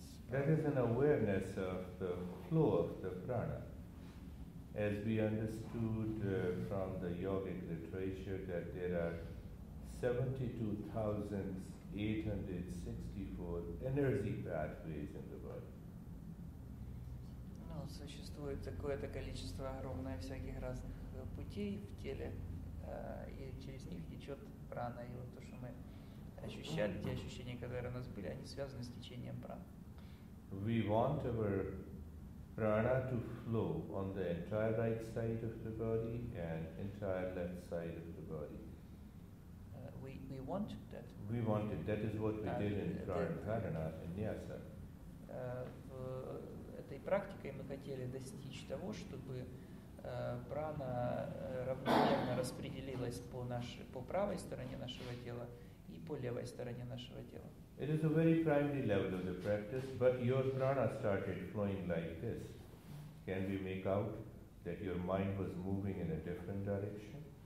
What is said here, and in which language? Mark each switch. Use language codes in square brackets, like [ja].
[en] That is an awareness of the flow of the prana. As we understood from the yogic literature that there are 72,864 energy pathways in the body. [ru] Существует такое-то количество огромное всяких разных путей в теле, и через них течет прана. И вот то, что мы ощущали, те ощущения, которые у нас были, они связаны с течением праны. [en] We want our prana to flow on the entire right side of the body and entire left side of the body. We want that. We want it. That is what we did in prana in Nyasa. [ru] В этой практике мы хотели достичь того, чтобы прана равномерно распределилась по правой стороне нашего тела и по левой стороне нашего тела. [en] It is a very primary level of the practice, but your prana started flowing like this. Can we make out that your mind was moving in a different direction?